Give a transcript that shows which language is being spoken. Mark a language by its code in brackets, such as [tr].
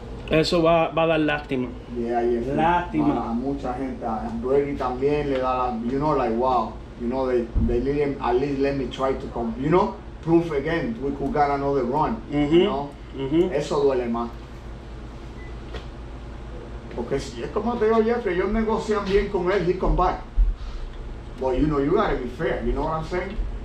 [es] Eso va a dar lástima. Lástima. A mucha gente, a Brady también le da, [en] you know, like, wow. You know, they at least let me try to come, you know, proof again, we could get another run, you know? [es] Eso duele más. Porque si es como te digo, Jeffrey, ellos negocian bien con él, [en] he come back. But you know, you gotta be fair, you know what I'm saying?